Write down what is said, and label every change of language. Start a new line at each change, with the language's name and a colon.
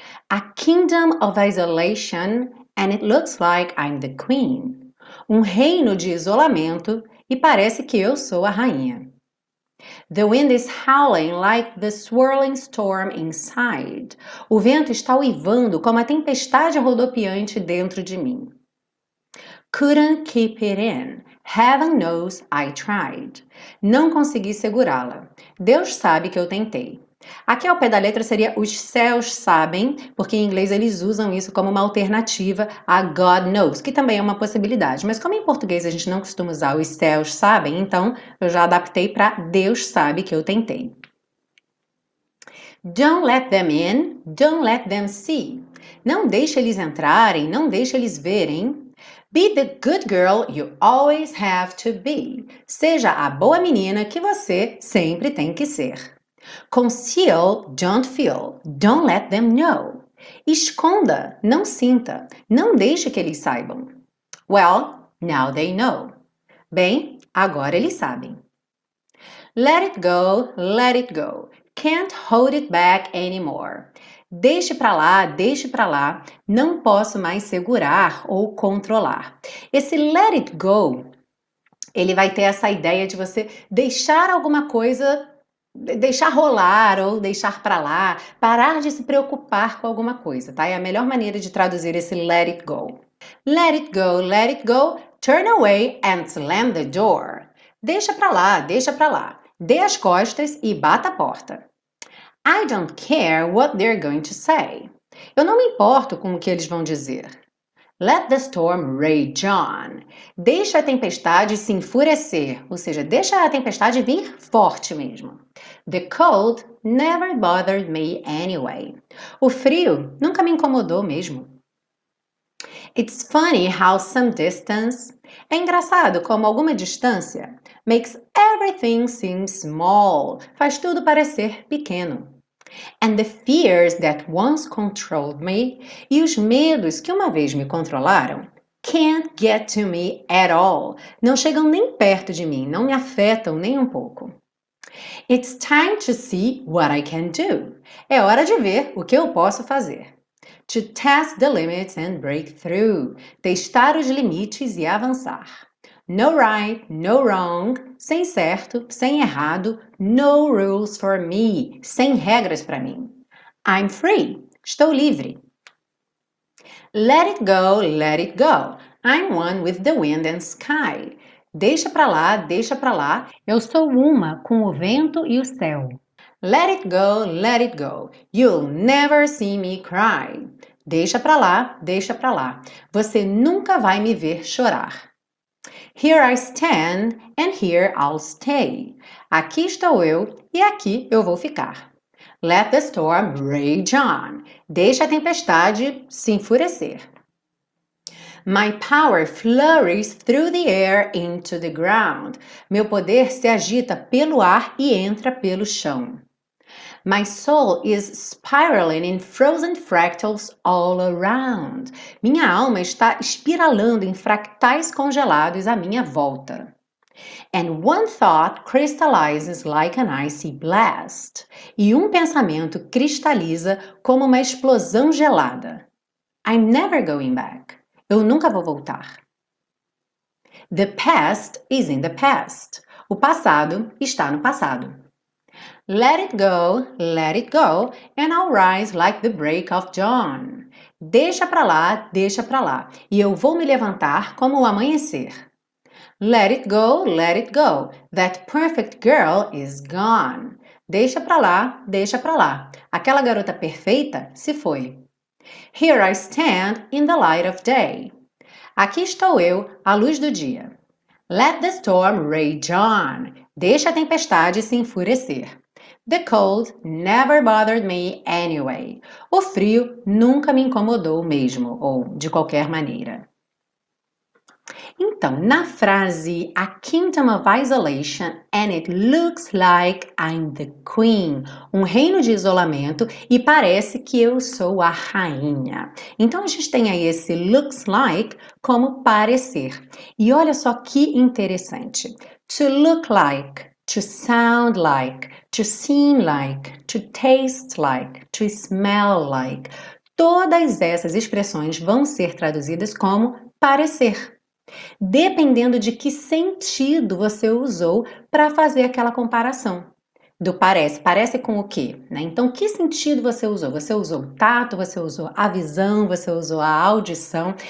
English: A kingdom of isolation, and it looks like I'm the queen.
Portuguese: Um reino de isolamento, e parece que eu sou a rainha.
English: The wind is howling like the swirling storm inside.
Portuguese: O vento está uivando como a tempestade rodopiante dentro de mim.
English: Couldn't keep it in. Heaven knows I tried.
Portuguese: Não consegui segurá-la. Deus sabe que eu tentei. Aqui ao pé da letra seria os céus sabem, porque em inglês eles usam isso como uma alternativa a God knows, que também é uma possibilidade. Mas como em português a gente não costuma usar os céus sabem, então eu já adaptei para Deus sabe que eu tentei.
English: Don't let them in, don't let them see.
Portuguese: Não deixe eles entrarem, não deixe eles verem.
English: Be the good girl you always have to be.
Portuguese: Seja a boa menina que você sempre tem que ser.
English: Conceal, don't feel, don't let them know.
Portuguese: Esconda, não sinta, não deixe que eles saibam.
English: Well, now they know.
Portuguese: Bem, agora eles sabem.
English: Let it go, let it go. Can't hold it back anymore.
Portuguese: Deixe para lá, deixe para lá. Não posso mais segurar ou controlar. Esse let it go, ele vai ter essa ideia de você deixar alguma coisa, deixar rolar ou deixar para lá, parar de se preocupar com alguma coisa, tá? É a melhor maneira de traduzir esse let it go.
English: Let it go, let it go, turn away and slam the door.
Portuguese: Deixa para lá, deixa para lá. Dê as costas e bata a porta.
English: I don't care what they're going to say.
Portuguese: Eu não me importo com o que eles vão dizer.
English: Let the storm rage on.
Portuguese: Deixa a tempestade se enfurecer, ou seja, deixa a tempestade vir forte mesmo.
English: The cold never bothered me anyway.
Portuguese: O frio nunca me incomodou mesmo.
English: It's funny how some distance.
Portuguese: É engraçado como alguma distância
English: makes everything seem small.
Portuguese: Faz tudo parecer pequeno.
English: And the fears that once controlled me,
Portuguese: e os medos que uma vez me controlaram,
English: can't get to me at all.
Portuguese: Não chegam nem perto de mim, não me afetam nem um pouco.
English: It's time to see what I can do.
Portuguese: É hora de ver o que eu posso fazer.
English: To test the limits and break through.
Portuguese: Testar os limites e avançar.
English: No right, no wrong,
Portuguese: sem certo, sem errado,
English: no rules for me,
Portuguese: sem regras para mim.
English: I'm free,
Portuguese: estou livre.
English: Let it go, I'm one with the wind and sky.
Portuguese: Deixa para lá, deixa para lá, eu sou uma com o vento e o céu.
English: Let it go, you'll never see me cry.
Portuguese: Deixa para lá, deixa para lá, você nunca vai me ver chorar.
English: Here I stand, and here I'll stay.
Portuguese: Aqui estou eu, e aqui eu vou ficar.
English: Let the storm rage on.
Portuguese: Deixa a tempestade se enfurecer.
English: My power flurries through the air into the ground.
Portuguese: Meu poder se agita pelo ar e entra pelo chão.
English: My soul is spiraling in frozen fractals all around.
Portuguese: Minha alma está espiralando em fractais congelados à minha volta.
English: And one thought crystallizes like an icy blast.
Portuguese: E um pensamento cristaliza como uma explosão gelada.
English: I'm never going back.
Portuguese: Eu nunca vou voltar.
English: The past is in the past.
Portuguese: O passado está no passado.
English: Let it go, and I'll rise like the break of dawn.
Portuguese: Deixa pra lá, e eu vou me levantar como o amanhecer.
English: Let it go, that perfect girl is gone.
Portuguese: Deixa pra lá, aquela garota perfeita se foi.
English: Here I stand in the light of day.
Portuguese: Aqui estou eu, à luz do dia.
English: Let the storm rage on.
Portuguese: Deixa a tempestade se enfurecer.
English: The cold never bothered me anyway.
Portuguese: O frio nunca me incomodou mesmo, ou de qualquer maneira. Então, na frase
English: A Kingdom of Isolation and It Looks Like I'm the Queen,
Portuguese: um reino de isolamento e parece que eu sou a rainha. Então, a gente tem aí esse looks like como parecer. E olha só que interessante.
English: To look like. To sound like, to seem like, to taste like, to smell like.
Portuguese: Todas essas expressões vão ser traduzidas como parecer, dependendo de que sentido você usou para fazer aquela comparação. Do parece, parece com o quê, né? Então, que sentido você usou? Você usou tato, você usou a visão, você usou a audição.